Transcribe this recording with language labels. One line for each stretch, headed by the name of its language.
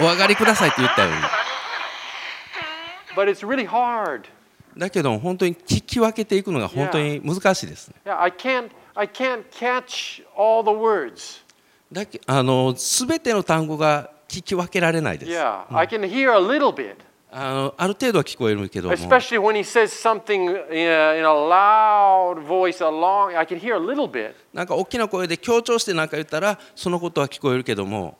Japanese: お上がりくださいって言ったように。
English: But it's really hard.
Japanese: だけど本当に聞き分けていくのが本当に難しいです。
English: Yeah, I can't catch all the words.
Japanese: だけすべての単語が聞き分けられないです。
English: Yeah, I can hear a little bit.
Japanese: ある程度は聞こえるけども、
English: especially when he says something in a loud voice, a long, I can hear a little bit.
Japanese: なんか大きな声で強調して何か言ったら、そのことは聞こえるけども、